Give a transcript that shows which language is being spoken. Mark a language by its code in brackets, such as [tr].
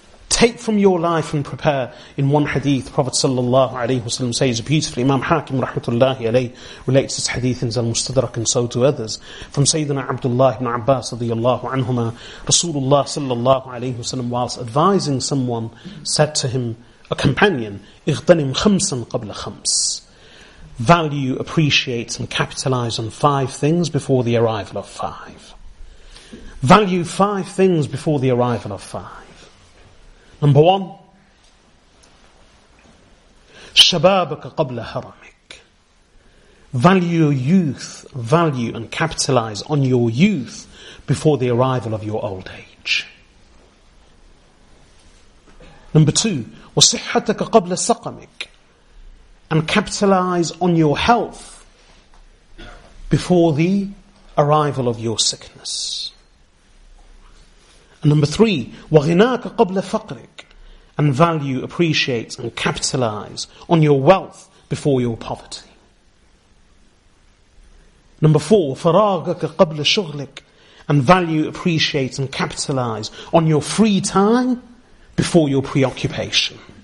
[en] Take from your life and prepare. In one hadith, Prophet sallallahu alaihi wasallam says beautifully, Imam Hakim rahmatullahi alayhi relates this hadith in Zal Mustadrak and so to others, from Sayyidina Abdullah ibn Abbas radiyallahu anhuma, Rasulullah sallallahu alaihi wasallam, whilst advising someone, said to him, a companion, [ar] اغتنم خمسا قبل خمس, [en] value, appreciate and capitalize on five things before the arrival of five. Value five things before the arrival of five. Number one, [ar] شبابك قبل هرمك. [en] Value your youth, value and capitalize on your youth before the arrival of your old age. Number two, [ar] وصحتك قبل سقمك. [en] And capitalize on your health before the arrival of your sickness. And number three, [ar] وغناك قبل فقرك. [en] And value, appreciate, and capitalize on your wealth before your poverty. Number four, [ar] فراغك قبل شغلك. [en] And value, appreciate, and capitalize on your free time before your preoccupation.